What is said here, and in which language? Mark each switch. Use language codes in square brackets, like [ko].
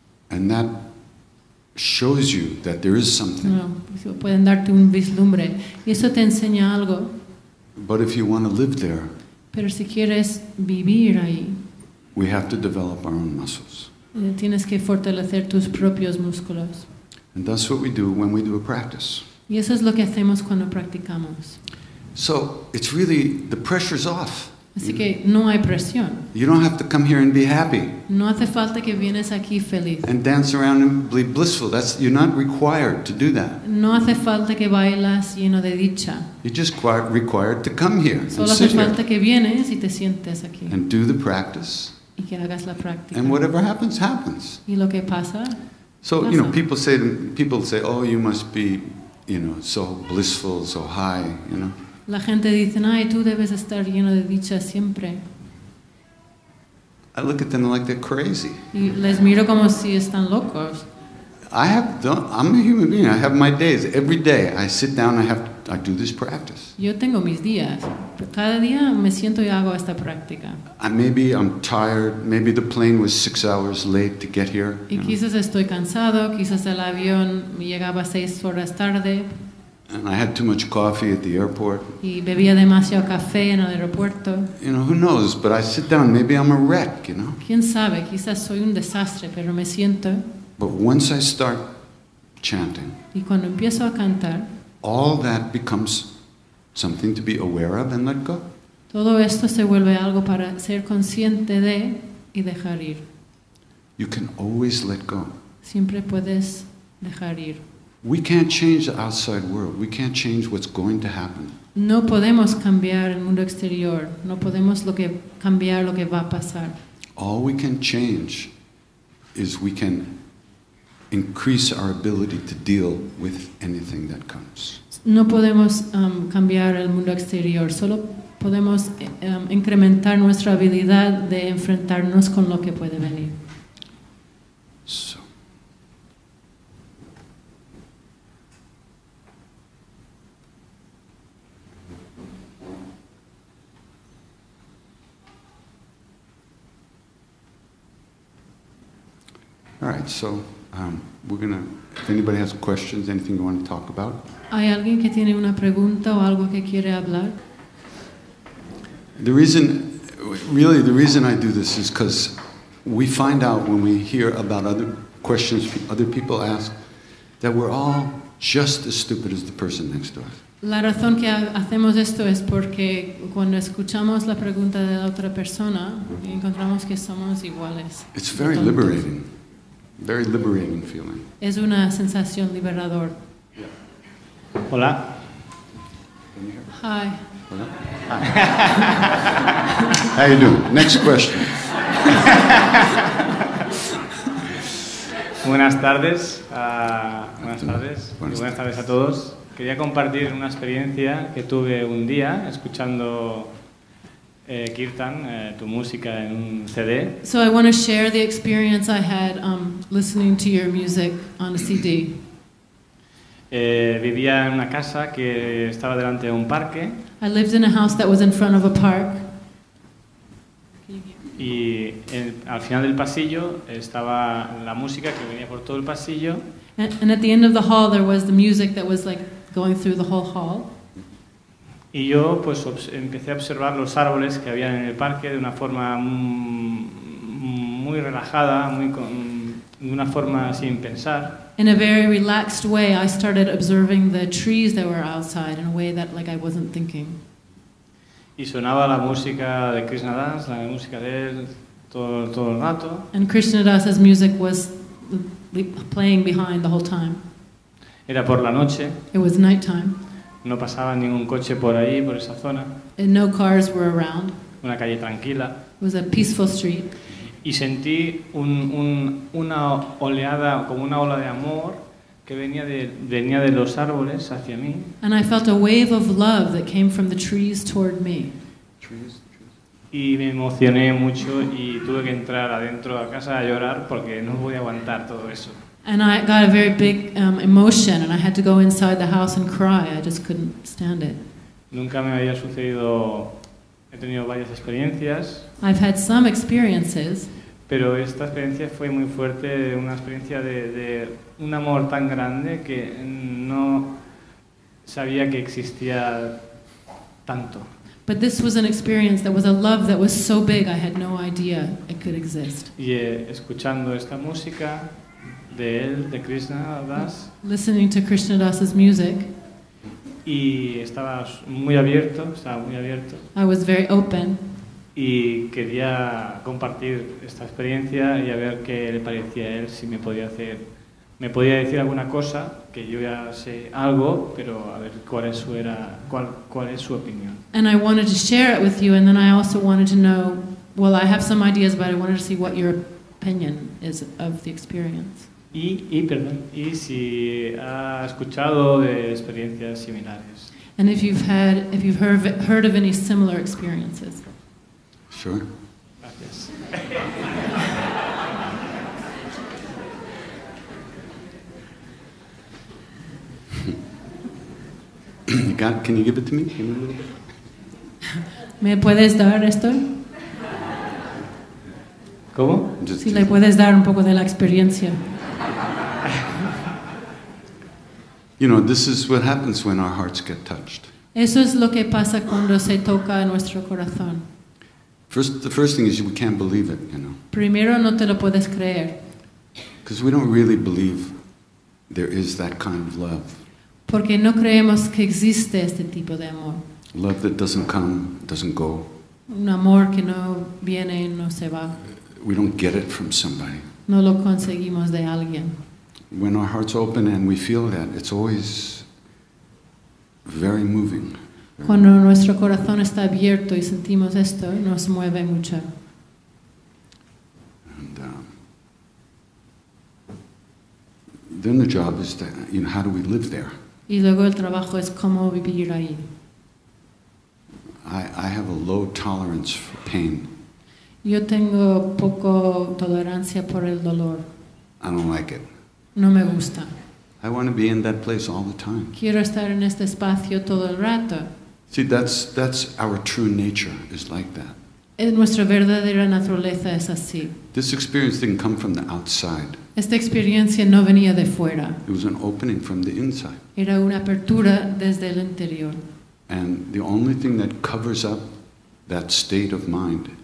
[en] And that shows you that there is something. [es] No, pueden darte un vislumbre. Y eso te enseña algo. [en] But if you want to live there, [es] pero si quieres vivir ahí, [en] we have to develop our own muscles. [es] Tienes que fortalecer tus propios músculos. [en] And that's what we do when we do a practice. [es] Y eso es lo que hacemos cuando practicamos. [en] So it's really the pressure's off. [es] Así que no hay presión. [en] You don't have to come here and be happy. [es] No hace falta que vienes aquí feliz. [en] And dance around and be blissful. That's you're not required to do that. [es] No hace falta que bailas lleno de dicha. [en] You're just required to come here. [es] Solo [en] and sit [es] hace falta [en] here [es] que vienes y te sientes aquí. [en] And do the practice. [es] Y que hagas la práctica. [en] And whatever happens, happens. [es] Y lo que pasa, [en] so [es] pasa. [en] You know, people say, oh, you must be, you know, so blissful, so high, you know. [es] La gente dice, ay, tú debes estar lleno de dicha siempre. [en] I look at them like they're crazy. [es] Y les miro como si están locos. [en] I'm a human being. I have my days. Every day I sit down, I do this practice. [es] Yo tengo mis días. Cada día me siento y hago esta práctica. [en] Maybe I'm tired. Maybe the plane was 6 hours late to get here. [es] Y quizás estoy cansado. Quizás el avión llegaba 6 horas tarde. [en] And I had too much coffee at the airport. [es] Y bebía demasiado café en el aeropuerto. [en] You know, who knows? But I sit down. Maybe I'm a wreck, you know? [es] ¿Quién sabe? Quizás soy un desastre, pero me siento. [en] But once I start chanting, [es] y cuando empiezo a cantar, [en] all that becomes something to be aware of and let go. [es] Todo esto se vuelve algo para ser consciente de y dejar ir. [en] You can always let go. [es] Siempre puedes dejar ir. [en] We can't change the outside world. We can't change what's going to happen. [es] No podemos cambiar el mundo exterior. No podemos cambiar lo que va a pasar. [en] All we can change is we can increase our ability to deal with anything that comes. [es] No podemos cambiar el mundo exterior. Solo podemos incrementar nuestra habilidad de enfrentarnos con lo que puede venir. [en] So. All right, so we're gonna. If anybody has questions, anything you want to talk about? [es] ¿Hay alguien que tiene una pregunta o algo que quiere hablar? [en] The reason I do this is because we find out when we hear about other questions other people ask that we're all just as stupid as the person next to us. [es] La razón que hacemos esto es porque cuando escuchamos la pregunta de la otra persona encontramos que somos iguales. [en] It's very liberating. Very liberating feeling. [es] Es una sensación liberador. [en] Yeah. [es] Hola. [en] Hi. [es] Hola. [en] Hi. How you doing? Next question. [es] Buenas tardes. Buenas tardes. Y buenas tardes a todos. Quería compartir una experiencia que tuve un día escuchando Kirtan, tu música en un CD. [en] So I want to share the experience I had listening to your music on a CD. [es] Vivía en una casa que estaba delante de un parque. [en] I lived in a house that was in front of a park. [es] Y al final del pasillo estaba la música que venía por todo el pasillo. [en] And at the end of the hall there was the music that was like going through the whole hall. [es] Y yo pues empecé a observar los árboles que había en el parque de una forma muy relajada, de una forma sin pensar. [en] In a very relaxed way, I started observing the trees that were outside in a way that like I wasn't thinking. [es] Y sonaba la música de Krishna, la música de todo el rato. [en] And Krishnadasa's music was playing behind the whole time. [es] Era por la noche. [en] It was nighttime. [es] No pasaba ningún coche por ahí, por esa zona. [en] And no cars were around. [es] Una calle tranquila. [en] It was a peaceful street. [es] Y sentí una oleada, como una ola de amor, que venía de los árboles hacia mí. [en] And I felt a wave of love that came from the trees toward me. [es] Y me emocioné mucho y tuve que entrar adentro a casa a llorar porque no podía aguantar todo eso. [en] And I got a very big emotion and I had to go inside the house and cry. I just couldn't stand it. [es] Nunca me había sucedido. He tenido varias experiencias. [en] I've had some experiences. [es] Pero esta experiencia fue muy fuerte, una experiencia de un amor tan grande que no sabía que existía tanto. [en] But this was an experience that was a love that was so big I had no idea it could exist. [es] Y escuchando esta música de él, de Krishna Das. [en] Listening to Krishna Das's music. [es] Y estaba muy abierto, estaba muy abierto. [en] I was very open. [es] Y quería compartir esta experiencia y a ver qué le parecía a él, si me podía decir alguna cosa, que yo ya sé algo, pero a ver cuál es su opinión. [en] And I wanted to share it with you, and then I also wanted to know, well, I have some ideas, but I wanted to see what your opinion is of the experience. [es] Y si ha escuchado de experiencias similares. [en] And if you've heard of any similar experiences. Sure. [es] Gracias. [en] God, can you give it to me? [es] ¿Me puedes dar esto? ¿Cómo? Si le puedes dar un poco de la experiencia. [en] You know, this is what happens when our hearts get touched. [es] Eso es lo que pasa cuando se toca nuestro corazón. [en] The first thing is we can't believe it, you know. [es] Primero no te lo puedes creer. [en] Because we don't really believe there is that kind of love. [es] Porque no creemos que existe este tipo de amor. [en] Love that doesn't come, doesn't go. [es] Un amor que no viene y no se va. [en] We don't get it from somebody. [es] No lo conseguimos de alguien. [en] When our hearts open and we feel that, it's always very moving. [es] Cuando nuestro corazón está abierto y sentimos esto, nos mueve mucho. [en] And then the job is that, you know, how do we live there? [es] Y luego el trabajo es cómo vivir ahí. [en] I have a low tolerance for pain. [es] Yo tengo poco tolerancia por el dolor. [en] I don't like it. [es] No me gusta. [en] I want to be in that place all the time. [es] Quiero estar en este espacio todo el rato. [en] See, that's our true nature is like that. [es] En nuestra verdadera naturaleza es así. [en] This experience didn't come from the outside. [es] Esta experiencia no venía de fuera. [en] It was an opening from the inside. [es] Era una apertura desde el interior. [en] And the only thing that covers up that state of mind.